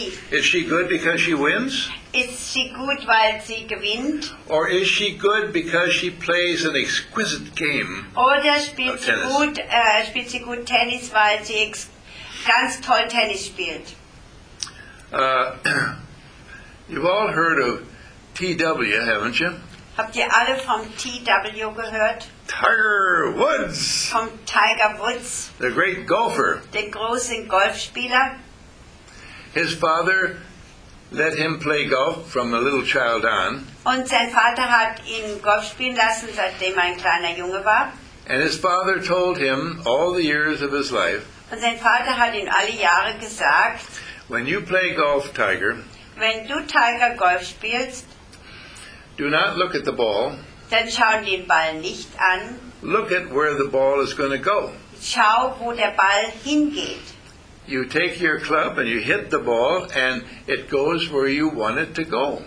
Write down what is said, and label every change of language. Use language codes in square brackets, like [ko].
[en] Is she good because she wins? [de] Ist sie gut, weil sie gewinnt? [en] Or is she good because she plays an exquisite game? [de] Oder spielt sie gut Tennis, weil sie ganz toll Tennis spielt? [en] You've all heard of TW, haven't you? [de] Habt ihr alle vom TW gehört? [en] Tiger Woods. [de] Vom Tiger Woods. [en] The great golfer. [de] Den großen Golfspieler. [en] His father let him play golf from a little child on. [de] Und sein Vater hat ihn Golf spielen lassen, seitdem ein kleiner Junge war. [en] And his father told him all the years of his life. [de] Und sein Vater hat ihm alle Jahre gesagt. [en] When you play golf, Tiger. [de] Wenn du Tiger Golf spielst. [en] Do not look at the ball. [de] Dann schau den Ball nicht an. [en] Look at where the ball is going to go. [de] Schau, wo der Ball hingeht. [en] You take your club and you hit the ball and it goes where you want it to go.